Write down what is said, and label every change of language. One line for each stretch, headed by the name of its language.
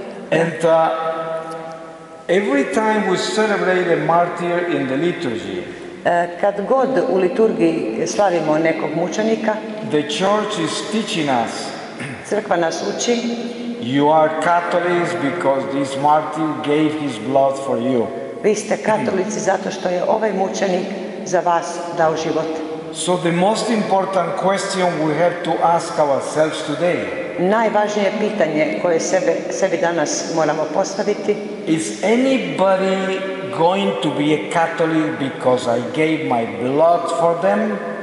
English: And every time we celebrate a martyr in the liturgy,
Croatian: kad god u liturgiji slavimo nekog mučenika,
English: the church is teaching us,
Croatian: crkva nas uči,
English: you are Catholics because this martyr gave his blood for you.
Croatian: Vi ste katolici zato što je ovaj mučenik za vas dao život.
English: So the most important question we have to ask ourselves today,
Croatian: najvažnije pitanje koje sebi danas moramo postaviti,
English: is anybody going to be a Catholic because I gave my blood for them?